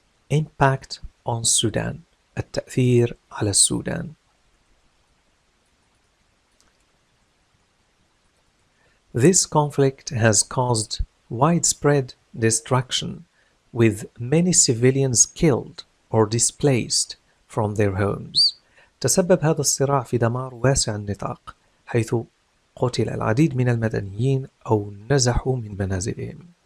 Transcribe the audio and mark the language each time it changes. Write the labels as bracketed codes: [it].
[en] Impact on Sudan [ar] التأثير على السودان. [en] This conflict has caused widespread destruction with many civilians killed or displaced from their homes. [ar] تسبب هذا الصراع في دمار واسع النطاق حيث قتل العديد من المدنيين أو نزحوا من منازلهم.